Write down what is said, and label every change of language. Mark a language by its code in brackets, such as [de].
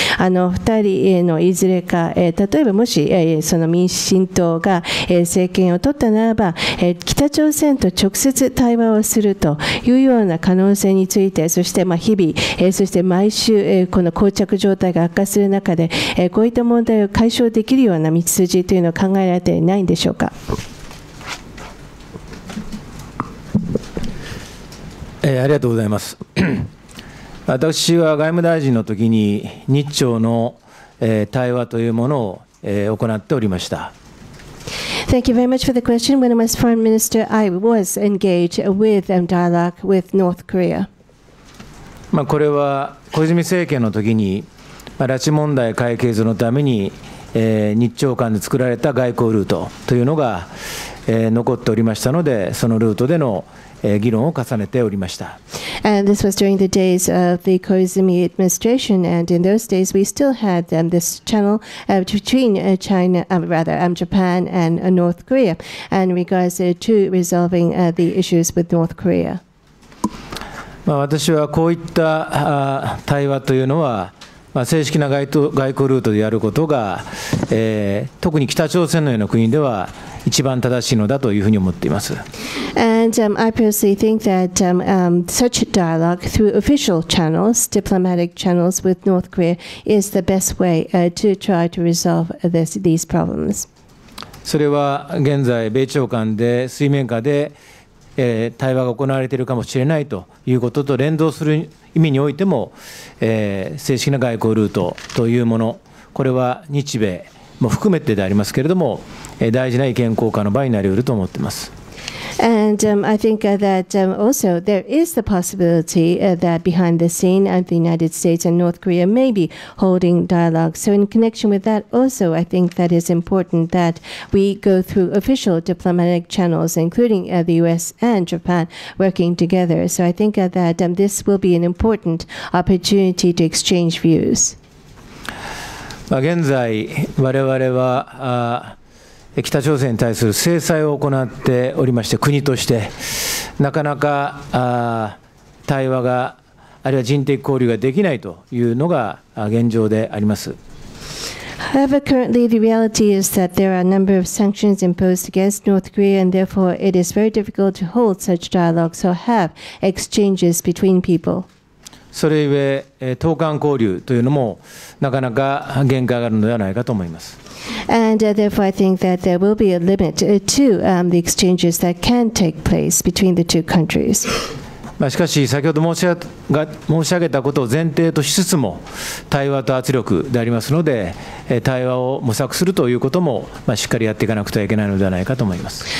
[ja] 2人のいずれか、例えばもし、その民進党が政権を取ったならば北朝鮮と直接対話をするというような可能性について、そして日々そして毎週この膠着状態が悪化する中でこういった問題を解消できるような道筋というのは考えられていないんでしょうか。ありがとうございます。私は外務大臣の時に日朝の対話というものを行っておりました。 [en] Thank you very much for the question. When I was foreign minister, I was engaged with dialogue with North Korea. [ja] まあこれは小泉政権の時に拉致問題解決のために日朝間で作られた外交ルートというのが残っておりましたので、そのルートでの議論を重ねておりました。 [en] And this was during the days of the Koizumi administration, and in those days we still had、this channel、between、China,、rather、Japan and、North Korea, and in regards、to resolving、the issues with North Korea. [ja] まあ、私はこういった対話というのは、まあ、正式な外交ルートでやることが、特に北朝鮮のような国では一番正しいのだというふうに思っています。 [en] And I personally think that such dialogue through official channels, diplomatic channels with North Korea is the best way to try to resolve these problems. [ja] それは現在米朝間で水面下で対話が行われているかもしれないということと連動する意味においても、正式な外交ルートというもの、これは日米も含めてでありますけれども、大事な意見交換の場になりうると思っています。 [en] And I think that also there is the possibility that behind the scene of the United States and North Korea may be holding dialogue. So in connection with that also I think that is important that we go through official diplomatic channels including the US and Japan working together. So I think that this will be an important opportunity to exchange views. [ja] 現在我々は北朝鮮に対する制裁を行っておりまして、国としてなかなか対話があるいは人的交流ができないというのが現状であります。 [en] However, currently the reality is that there are a number of sanctions imposed against North Korea and therefore it is very difficult to hold such dialogues or have exchanges between people. [ja] それゆえ等間交流というのもなかなか限界があるのではないかと思います。 [en] And therefore, I think that there will be a limit to the exchanges that can take place between the two countries. [ja] まあ、しかし、先ほど申し上げたことを前提としつつも、対話と圧力でありますので、対話を模索するということも、まあ、しっかりやっていかなくてはいけないのではないかと思います。